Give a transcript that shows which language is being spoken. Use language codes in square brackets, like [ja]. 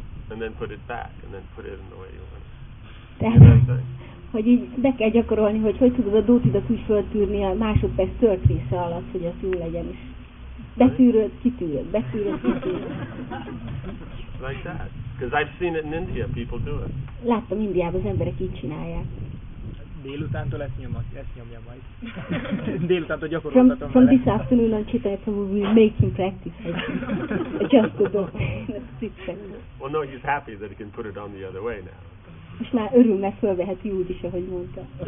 [en] And then put it back, and then put it in the way you want it. [hu] Tehát, hogy így be kell gyakorolni, hogy tudod a dhotidat úgy föltűrni a másodperc tört része alatt, hogy az jól legyen is. Betűröd, kitűröd, betűröd, kitűröd. [en] Like that. Because I've seen it in India, people do it. [hu] Láttam Indiában, az emberek így csinálják. Délutántól ezt nyomja majd. Délutántól gyakoroltatom [en] from, [hu] vele. [en] From this afternoon on Chitaya, we'll be making practice. Just to do it. Well, no, he's happy that he can put it on the other way now. [hu] Most már örül, mert fölveheti úgy is, ahogy mondta.